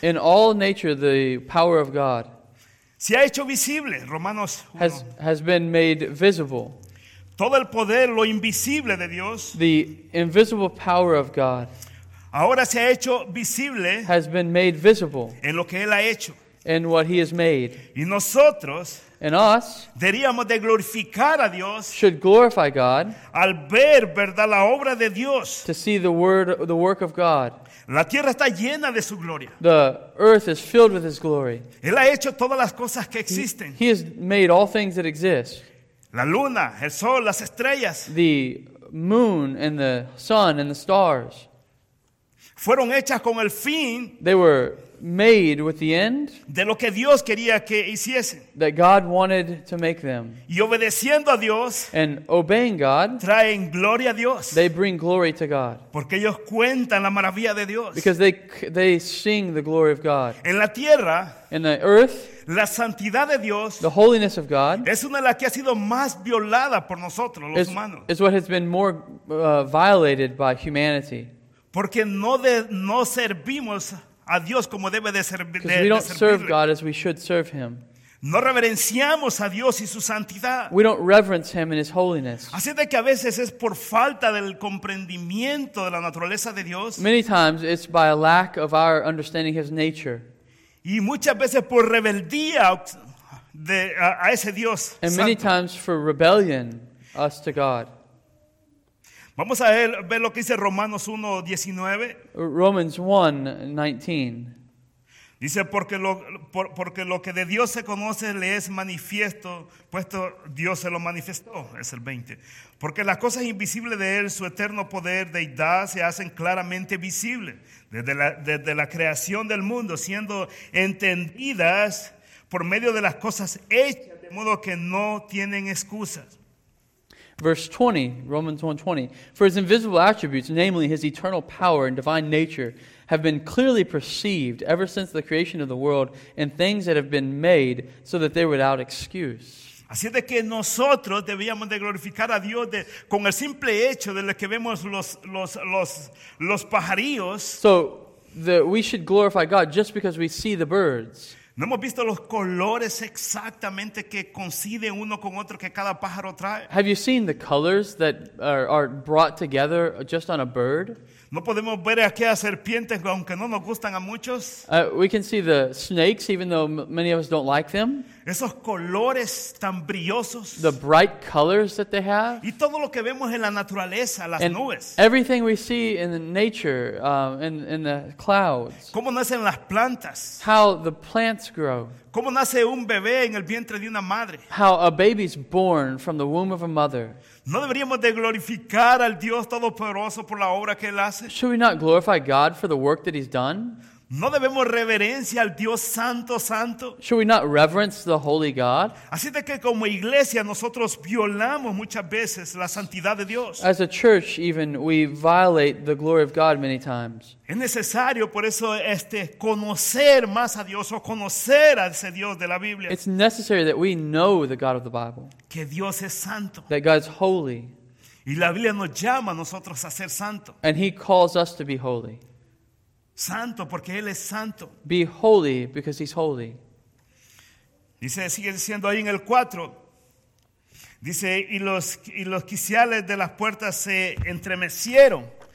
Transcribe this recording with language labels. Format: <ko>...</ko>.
<en>In all nature, the power of God.</en> <es>Se ha hecho visible, Romanos 1.</es> <en>Has been made visible.</en> <es>Todo el poder, lo invisible de Dios.</es> <en>The invisible power of God.</en> <es>Ahora se ha hecho visible.</es> <en>Has been made visible.</en> <es>En lo que Él ha hecho.</es> <en>In what He has made.</en> <es>Y nosotros.</es> <en>In us.</en> <es>Deberíamos de glorificar a Dios.</es> <en>Should glorify God.</en> <es>Al ver, verdad, la obra de Dios.</es> <en>To see the work of God.</en> <es>La tierra está llena de su gloria.</es> <en>The earth is filled with his glory.</en> <es>Él ha hecho todas las cosas que existen.</es> <en>He has made all things that exist.</en> <es>La luna, el sol, las estrellas.</es> <en>The moon and the sun and the stars.</en> <es>Fueron hechas con el fin.</es> <en>They were made with the end.</en> <es>De lo que Dios quería que hiciesen.</es> <en>That God wanted to make them.</en> <es>Y obedeciendo a Dios.</es> <en>And obeying God.</en> <es>Traen gloria a Dios.</es> <en>They bring glory to God.</en> <es>Porque ellos cuentan la maravilla de Dios.</es> <en>Because they sing the glory of God.</en> <es>En la tierra.</es> <en>In the earth.</en> <es>La santidad de Dios.</es> <en>The holiness of God.</en> <es>Es una de las que ha sido más violada por nosotros, los humanos.</es> <en>Is what has been more violated by humanity.</en> <es>Porque no servimos a Dios como debe de servirle.</es> <en>Because we don't serve God as we should serve Him.</en> <es>No reverenciamos a Dios y su santidad.</es> <en>We don't reverence Him and His holiness.</en> <es>Así de que a veces es por falta del comprendimiento de la naturaleza de Dios.</es> <en>Many times it's by a lack of our understanding His nature.</en> <es>Y muchas veces por rebeldía a ese Dios.</es> <en>And santo. Many times for rebellion us to God.</en> <es>Vamos a ver lo que dice Romanos 1:19.</es> <en>Romans 1:19.</en> <es>Dice porque lo que de Dios se conoce le es manifiesto, puesto Dios se lo manifestó, es el 20. Porque las cosas invisibles de él, su eterno poder, deidad, se hacen claramente visibles desde la creación del mundo, siendo entendidas por medio de las cosas hechas, de modo que no tienen excusas.</es> <en>Verse 20, Romans 1:20. For his invisible attributes, namely his eternal power and divine nature, have been clearly perceived ever since the creation of the world in things that have been made, so that they were without excuse.</en> <es>Así de que nosotros debíamos de glorificar a Dios con el simple hecho de lo que vemos los pajarillos.</es> <en>So we should glorify God just because we see the birds.</en> <es>No hemos visto los colores exactamente que coinciden uno con otro que cada pájaro trae.</es> <en>Have you seen the colors that are brought together just on a bird?</en> <es>No podemos ver aquellas serpientes aunque no nos gustan a muchos.</es> <en>We can see the snakes even though many of us don't like them.</en> <es>Esos colores tan brillosos.</es> <en>The bright colors that they have.</en> <es>Y todo lo que vemos en la naturaleza, las</es> <en>and</en> <es>nubes.</es> <en>Everything we see in the nature, in the clouds.</en> <es>¿Cómo nacen las plantas?</es> <en>How the plants grow.</en> <es>¿Cómo nace un bebé en el vientre de una madre?</es> <en>How a baby is born from the womb of a mother.</en> <es>¿No deberíamos de glorificar al Dios Todopoderoso por la obra que Él hace?</es> <en>Should we not glorify God for the work that He's done?</en> <es>¿No debemos reverencia al Dios Santo, Santo?</es> <en>Should we not reverence the Holy God?</en> <es>Así de que como iglesia nosotros violamos muchas veces la santidad de Dios.</es> <en>As a church even, we violate the glory of God many times.</en> <es>Es necesario por eso conocer más a Dios o conocer a ese Dios de la Biblia.</es> <en>It's necessary that we know the God of the Bible.</en> <es>Que Dios es santo.</es> <en>That God is holy.</en> <es>Y la Biblia nos llama a nosotros a ser santo.</es> <en>And He calls us to be holy.</en> <es>Santo porque Él es santo.</es> <en>Be holy because He's holy.</en> <es>Dice, sigue diciendo ahí en el 4. Dice, y los quiciales de las puertas se entremecieron.</es>